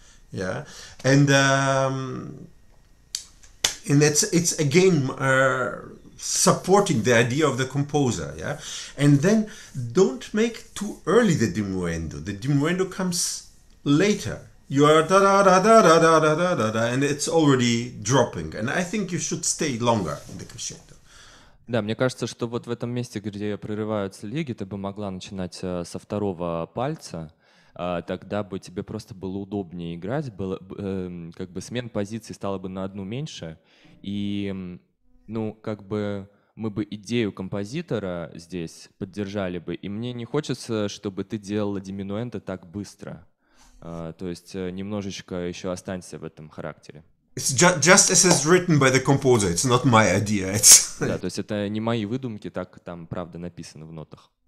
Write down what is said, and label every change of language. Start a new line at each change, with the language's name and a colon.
English: Yeah, and and it's again supporting the idea of the composer, yeah? And then don't make too early the diminuendo. The diminuendo comes later. You are da-da-da-da-da-da-da-da-da-da, and it's already dropping. And I think you should stay longer in the crescendo.
Russian: Да, мне кажется, что вот в этом месте, где прерываются лиги, ты бы могла начинать со второго пальца. Тогда бы тебе просто было удобнее играть, было как бы смен позиций стало бы на одну меньше, и ну как бы мы бы идею композитора здесь поддержали бы, и мне не хочется, чтобы ты делала диминуэнто так быстро, то есть немножечко еще останься в этом характере.
English: It's just as it's written by the composer. It's not my idea. It's...
Russian: Да, то есть это не мои выдумки, так там правда написано в нотах.